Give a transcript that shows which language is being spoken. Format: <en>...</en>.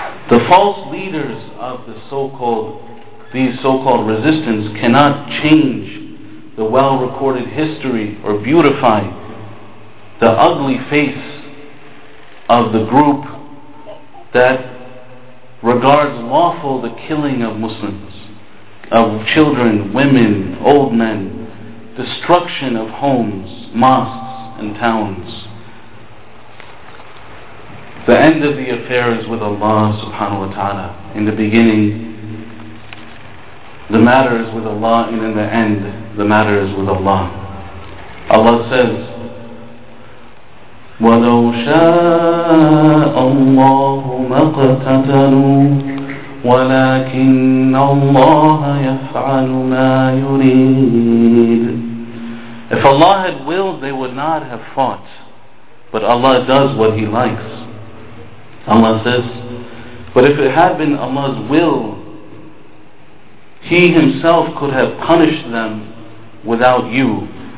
<en>The false leaders of these so-called resistance cannot change the well-recorded history or beautify the ugly face of the group that regards lawful the killing of Muslims, of children, women, old men, destruction of homes, mosques, and towns. The end of the affair is with Allah subhanahu wa ta'ala. In the beginning, the matter is with Allah, and in the end, the matter is with Allah. Allah says,</en> <ar>وَلَوْ شَاءَ اللَّهُ مَا اقْتَتَلُوا وَلَكِنَّ اللَّهَ يَفْعَلُ مَا يُرِيدُ.</ar> <en>If Allah had willed, they would not have fought. But Allah does what He likes. Allah says, but if it had been Allah's will, He Himself could have punished them without you.</en>